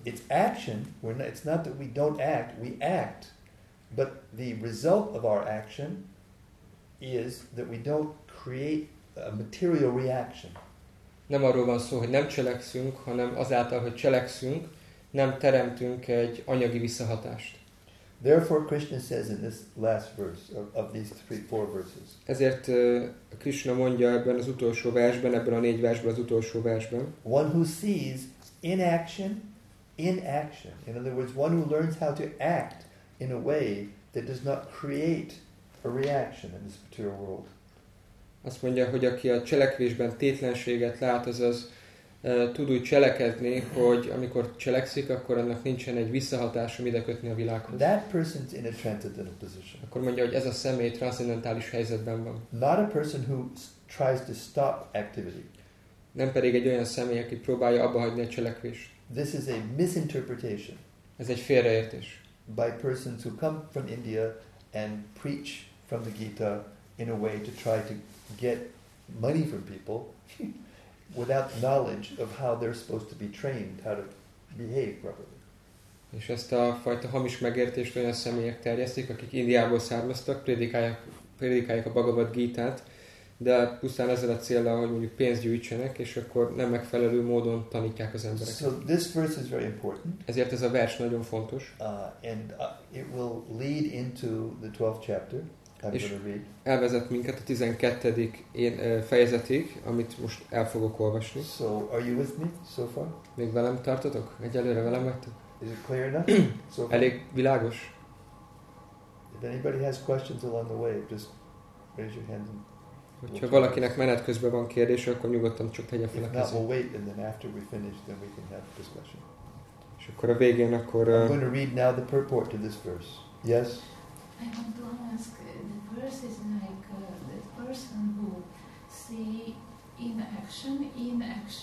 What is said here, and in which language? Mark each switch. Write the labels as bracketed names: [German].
[English] It's action. It's not that we don't act. We act. But the result of our action is that we don't create a material reaction. [Hungarian] Nem arról van szó, hogy nem cselekszünk, hanem azáltal, hogy cselekszünk, nem teremtünk egy anyagi visszahatást. [English] Therefore Krishna says in this last verse of these three, four verses. [Hungarian] Ezért Krishna mondja ebben az utolsó versben, ebben a négy versben, az utolsó versben. [English] One who sees inaction, inaction. In other words, one who learns how to act in a way that does not create a reaction in this material world. [Hungarian] Azt mondja, hogy aki a cselekvésben tétlenséget lát, azaz tud úgy cselekedni, hogy amikor cselekszik, akkor annak nincsen egy visszahatása idekötni a világhoz. [English] That person's in a transcendental position. [Hungarian] Akkor mondja, hogy ez a személy transzendentális helyzetben van. [English] Not a person who tries to stop activity. [Hungarian] Nem pedig egy olyan személy, aki próbálja abbahagyni a cselekvést. [English] This is a misinterpretation. [Hungarian] Ez egy félreértés. [English] By persons who come from India and preach from the Gita in a way to try to get money from people without knowledge of how they're supposed to be trained, how to behave properly. [Hungarian] És ezt a fajta hamis megértést olyan személyek terjesztik, akik Indiából származtak, prédikálják a Bhagavad Gita-t, de pusztán ezzel a céllal, hogy mondjuk pénzt gyűjtsenek, és akkor nem megfelelő módon tanítják az embereket. [English] So this verse is very important. [Hungarian] Ezért ez a vers nagyon fontos. [English] And it will lead into the 12th chapter. [Hungarian] És elvezet minket a 12. fejezetig, amit most el fogok olvasni. [English] So, are you with me so far? [Hungarian] Még velem tartotok? Egyelőre velem vagytok? [English] Is it clear enough? So far? [Hungarian] Elég világos? [English] If anybody has questions along the way, just raise your hand. [Hungarian] Hogyha valakinek menet közben van kérdése, akkor nyugodtan csak tegye fel a kezét. [English] If not, we'll wait, and then after we finish, then we can have discussion. [Hungarian] És akkor a végén akkor... [English] I'm going to read now the purport to this verse. Yes? I want to ask, the verse is like the person who see inaction.